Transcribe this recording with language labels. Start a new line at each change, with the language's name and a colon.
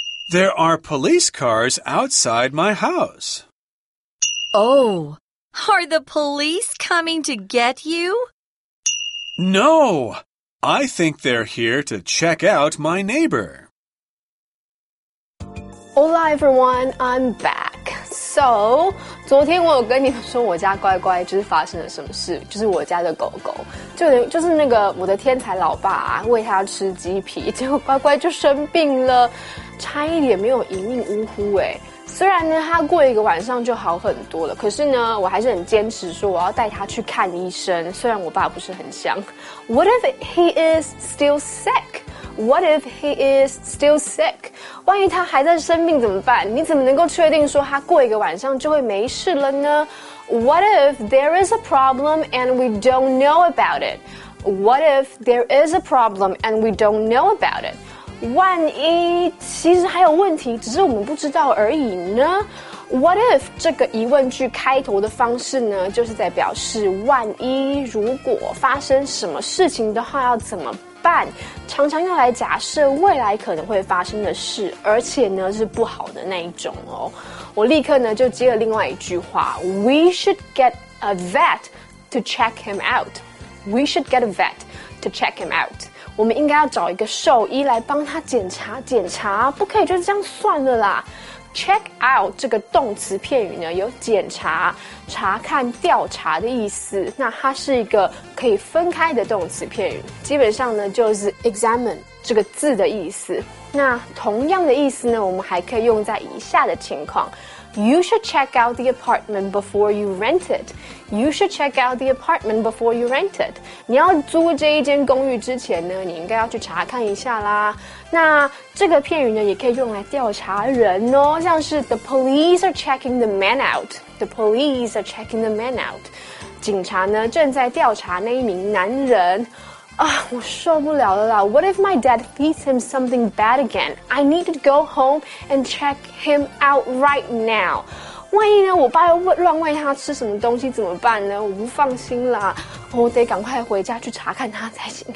English: There are police cars outside my house. Oh, are the police coming to get you? No, I think they're here to check out my neighbor. Hola, everyone. I'm back.
Chinese: So, 昨天我有跟你们说我家乖乖就是发生了什么事，就是我家的狗狗，就是那个我的天才老爸啊，喂他吃鸡皮，结果乖乖就生病了，差一点没有一命呜呼哎。虽然呢，他过一个晚上就好很多了，可是呢，我还是很坚持说我要带他去看医生。虽然我爸不是很想。
English: What if he is still sick? What if he is still sick?
Chinese: 万一他还在生病怎么办？你怎么能够确定说他过一个晚上就会没事了呢？
English: What if there is a problem and we don't know about it? What if there is a problem and we don't know about it?
Chinese: 万一其实还有问题，只是我们不知道而已呢？
English: What if
Chinese: 这个疑问句开头的方式呢，就是在表示万一如果发生什么事情的话要怎么办，常常要来假设未来可能会发生的事，而且呢是不好的那一种哦。我立刻呢就接了另外一句话，
English: We should get a vet to check him out. We should get a vet to check him out.
Chinese: 我们应该要找一个兽医来帮他检查，不可以就这样算了啦。
English: Check out
Chinese: 这个动词片语呢，有检查、查看、调查的意思。那它是一个可以分开的动词片语，基本上呢就是 examine 这个字的意思。那同样的意思呢，我们还可以用在以下的情况。
English: You should check out the apartment before you rent it. You should check out the apartment before you rent it.
Chinese: 你要租这一间公寓之前呢，你应该要去查看一下啦。那这个片语呢，也可以用来调查人哦，像是
English: The police are checking the man out. The police are checking the man out.
Chinese: 警察呢，正在调查那一名男人。啊，我受不了了啦。
English: What if my dad feeds him something bad again? I need to go home and check him out right now.
Chinese: 万一呢，我爸又乱喂他吃什么东西怎么办呢？我不放心啦，我得赶快回家去查看他才行。